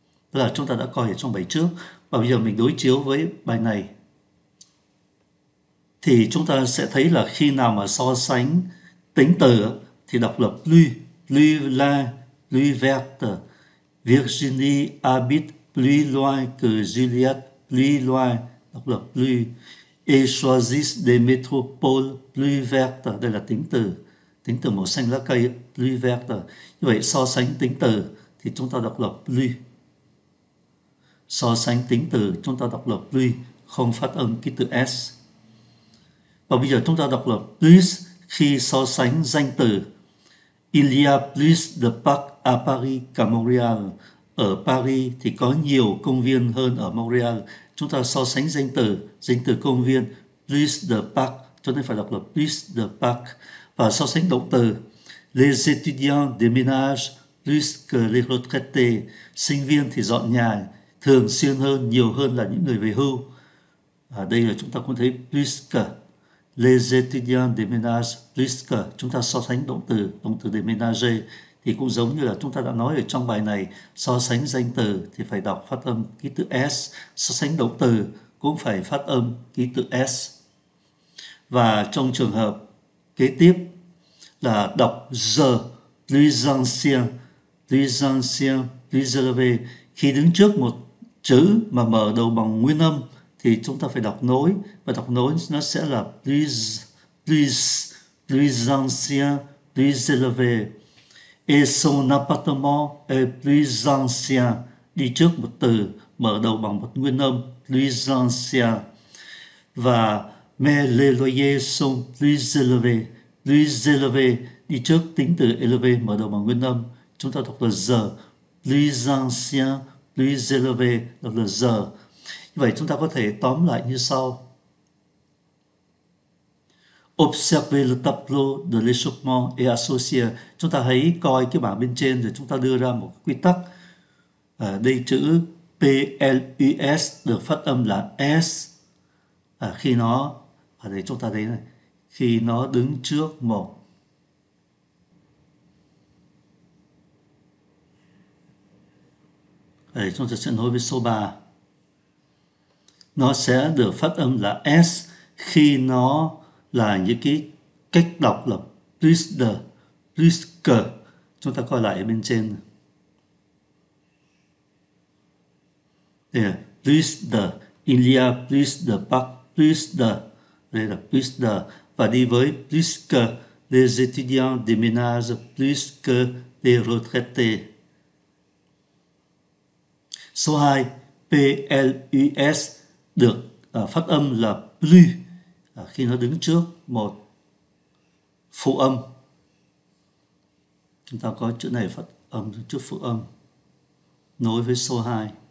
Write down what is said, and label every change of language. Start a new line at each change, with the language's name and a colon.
Vietnamese: Tức là chúng ta đã coi ở trong bài trước, và bây giờ mình đối chiếu với bài này. Thì chúng ta sẽ thấy là khi nào mà so sánh tính từ, thì đọc là plus, plus là, plus verte.
French: Virginie habite plus loin que Juliette. Plus loin, đọc là plus, et choisissent des métropoles plus vertes.
Vietnamese: Đây là tính từ màu xanh lá cây, plus verte. Như vậy, so sánh tính từ thì chúng ta đọc là plus. So sánh tính từ chúng ta đọc là plus, không phát âm ký tự S. Và bây giờ chúng ta đọc là plus khi so sánh danh từ.
French: Il y a plus de parc à Paris qu'à Montréal.
Vietnamese: Ở Paris thì có nhiều công viên hơn ở Montreal. Chúng ta so sánh danh từ công viên, plus de parc, cho nên phải đọc là plus de parc.
French: Và so sánh động từ, les étudiants déménagent plus que les retraités.
Vietnamese: Sinh viên thì dọn nhà thường xuyên hơn, nhiều hơn là những người về hưu. Ở đây là chúng ta cũng thấy plus que, les étudiants déménagent plus que. Chúng ta so sánh động từ déménager, thì cũng giống như là chúng ta đã nói ở trong bài này, so sánh danh từ thì phải đọc phát âm ký tự S, so sánh động từ cũng phải phát âm ký tự S. Và trong trường hợp kế tiếp là đọc the, plus ancien, plus ancien, plus élevé. Khi đứng trước một chữ mà mở đầu bằng nguyên âm thì chúng ta phải đọc nối, và đọc nối nó sẽ là plus ancien, plus élevé.
French: Et son appartement est plus ancien.
Vietnamese: Đi trước một từ, mở đầu bằng một nguyên âm, plus ancien.
French: Và mais les loyers sont plus élevés. Plus élevés.
Vietnamese: Đi trước tính từ élevé, mở đầu bằng nguyên âm. Chúng ta đọc là giờ.
French: Plus ancien, plus élevé. Đọc là giờ.
Vietnamese: Như vậy chúng ta có thể tóm lại như sau.
French: Observer le tableau de l'échauffement et associer.
Vietnamese: Chúng ta hãy coi cái bảng bên trên rồi chúng ta đưa ra một quy tắc. À, đây chữ PLUS được phát âm là S. À, khi nó, ở đây chúng ta thấy này, khi nó đứng trước một. Ở đây chúng ta sẽ nối với số 3. Nó sẽ được phát âm là S khi nó là những cái cách đọc là plus de, plus que. Chúng ta coi lại ở bên trên.
French: Đây là plus de, il y a plus de parc, plus de. Đây là plus de. Và đi với plus que, les étudiants déménagent plus que les retraités.
Vietnamese: Số 2, PLUS được phát âm là plus khi nó đứng trước một phụ âm. Chúng ta có chữ này phát âm trước phụ âm, nối với số 2.